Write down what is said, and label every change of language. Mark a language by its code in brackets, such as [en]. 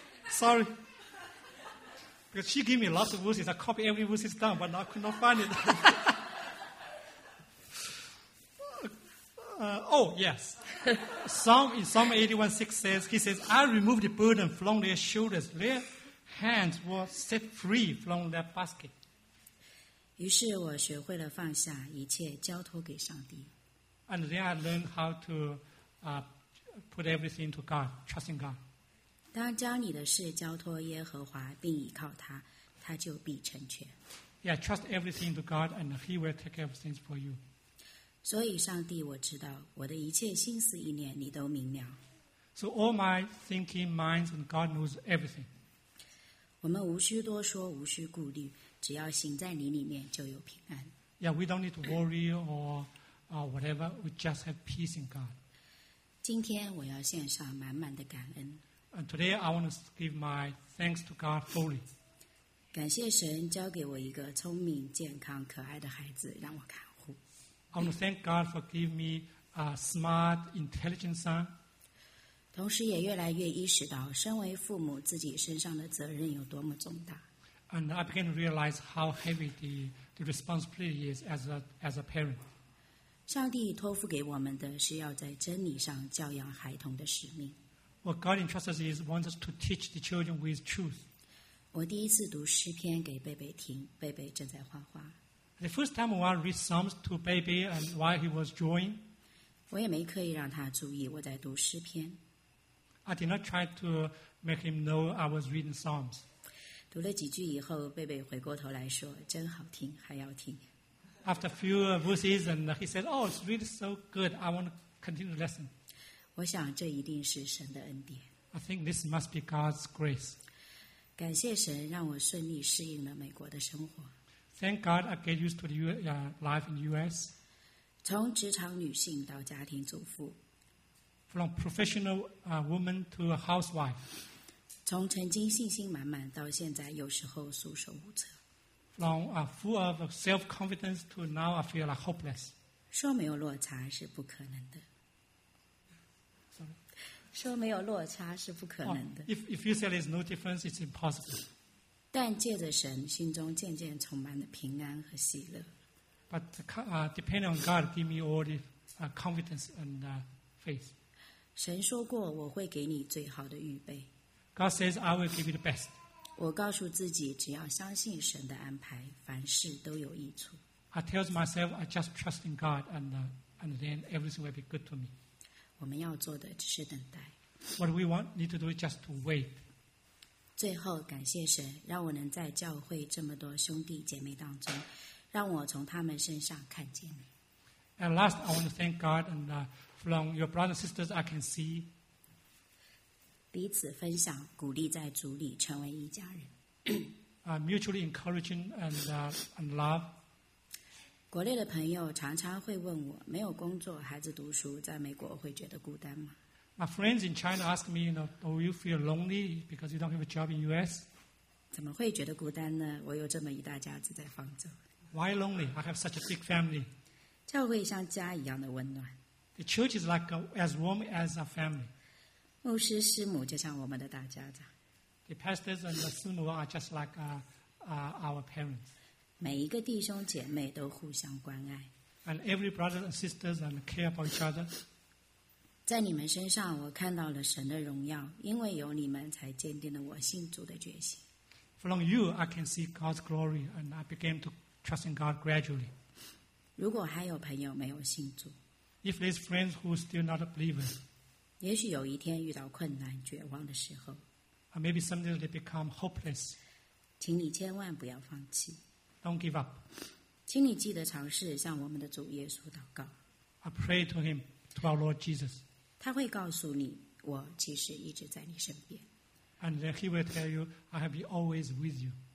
[en] Sorry, because she gave me lots of verses. I copied every verse down, but I could not find it. Psalm 81:6 says, he says, I removed the burden from their shoulders. Their hands were set free from their basket. [zh] 于是我学会了放下一切，交托给上帝。 [en] And then I learned how to put everything to God, trusting God. [zh] 当将你的事交托耶和华，并倚靠他，他就必成全。 [en] Yeah, trust everything to God, and He will take everything for you. [zh] 所以，上帝，我知道我的一切心思意念，你都明了。 [en] So all my thinking, minds, and God knows everything. [zh] 我们无需多说，无需顾虑，只要行在你里面，就有平安。 [en] Yeah, we don't need to worry or whatever. We just have peace in God. [zh] 今天我要献上满满的感恩。 [en] And today I want to give my thanks to God fully. [zh] 感谢神交给我一个聪明、健康、可爱的孩子，让我看护。 [en] I want to thank God for giving me a smart, intelligent son. [zh] 同时也越来越意识到，身为父母自己身上的责任有多么重大。 [en] And I began to realize how heavy the responsibility is as a parent. [zh] 上帝托付给我们的是要在真理上教养孩童的使命。 [en] What God entrusts us is wants us to teach the children with truth. [zh] 我第一次读诗篇给贝贝听，贝贝正在画画。 [en] The first time I read Psalms to baby and while he was drawing, [zh] 我也没刻意让他注意我在读诗篇。 [en] I did not try to make him know I was reading Psalms. [zh] 读了几句以后，贝贝回过头来说：“真好听，还要听。” [en] After a few verses, and he said, "Oh, it's really so good. I want to continue the lesson." [zh] 我想这一定是神的恩典。 [en] I think this must be God's grace. [zh] 感谢神让我顺利适应了美国的生活。 [en] Thank God I get used to the life in the U.S. [zh] 从职场女性到家庭主妇。 [en] From professional woman to a housewife. [zh] 从曾经信心满满到现在有时候束手无策。 [en] From full of self-confidence to now I feel like hopeless. [zh] 说没有落差是不可能的。说没有落差是不可能的。 [en] If you say there's no difference, it's impossible. [zh] 但借着神，心中渐渐充满了平安和喜乐。 [en] But depending on God, give me all the confidence and faith. [zh] 神说过，我会给你最好的预备。 [en] God says I will give you the best. [zh] 我告诉自己，只要相信神的安排，凡事都有益处。 [en] I tell myself I just trust in God, and then everything will be good to me. [zh] 我们要做的只是等待。 [en] What we want need to do is just to wait. [zh] 最后感谢神，让我能在教会这么多兄弟姐妹当中，让我从他们身上看见你。 [en] And last, I want to thank God and from your brothers and sisters, I can see. [zh] 彼此分享，鼓励在主里成为一家人。 [en] Mutually encouraging and love. [zh] 国内的朋友常常会问我，没有工作，孩子读书，在美国会觉得孤单吗 [en] ？My friends in China ask me, you know, do you feel lonely because you don't have a job in U.S.? [zh] 怎么会觉得孤单呢？我有这么一大家子在放着。 [en] Why lonely? I have such a big family. [zh] 教会像家一样的温暖。 [en] The church is like as warm as a family. [zh] 牧师师母就像我们的大家长。 [en] The pastors and the 师母 are just like our parents. [zh] 每一个弟兄姐妹都互相关爱。 [en] And every brother and sisters and care about each other. [zh] 在你们身上，我看到了神的荣耀，因为有你们，才坚定了我信主的决心。 [en] From you, I can see God's glory, and I began to trust in God gradually. [zh] 如果还有朋友没有信主 [en] ，If there's friends who are still not a believer, [zh] 也许有一天遇到困难、绝望的时候 [en] ，or maybe someday they become hopeless. [zh] 请你千万不要放弃。 [en] Don't give up. [zh] 请你记得尝试向我们的主耶稣祷告。 [en] I pray to him, to our Lord Jesus. [zh] 他会告诉你，我其实一直在你身边。 [en] And then he will tell you, I have been always with you.